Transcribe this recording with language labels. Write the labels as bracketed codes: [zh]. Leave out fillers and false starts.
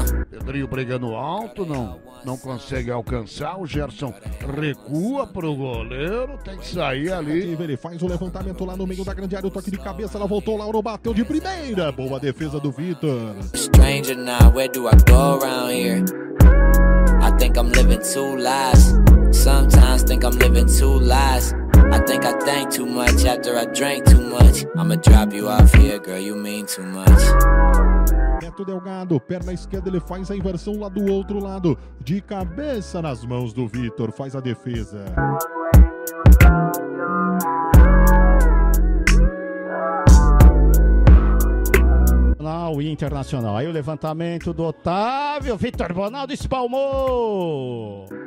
[pt] Pedrinho brigando alto, não consegue alcançar. O Gerson recua pro goleiro, tem que sair ali. Ele faz o levantamento lá no meio da grande área, o toque de cabeça, ela voltou, Lauro bateu de primeira. Boa defesa do Vitor. [en] Stranger now, where do I go around here? I think I'm living two lives. Sometimes think I'm living two lives. I think too much after I drank too much. I'ma drop you off here, girl, you mean too much. [pt] Neto Delgado, perna esquerda, ele faz a inversão lá do outro lado. De cabeça nas mãos do Vitor, faz a defesa. Nacional e Internacional. Aí o levantamento do Otávio, Vitor Bonaldo espalmou.